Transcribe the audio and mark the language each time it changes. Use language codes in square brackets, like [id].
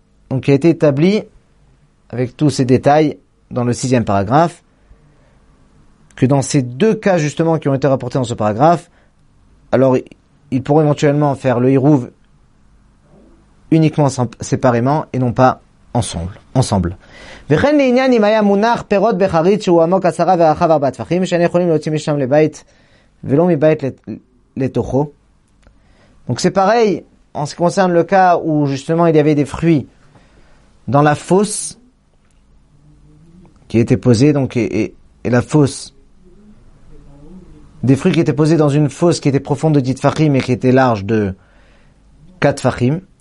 [fr] Donc il a été établi avec tous ces détails dans le sixième paragraphe, que dans ces deux cas justement qui ont été rapportés dans ce paragraphe, alors ils pourront éventuellement faire le hirouv uniquement séparément et non pas ensemble. [he] וכן לעניין אם היה מונח פירות בחרית שהוא עמוק עשרה ורחב ארבעה טפחים שאין יכולים להוציא משם לבית ולא מבית לתוכו. [fr] Donc c'est pareil en ce qui concerne le cas où justement il y avait des fruits dans la fosse qui était posée, donc et la fosse, des fruits qui étaient posés dans une fosse qui était profonde de 10 fachim et qui était large de 4 fachim.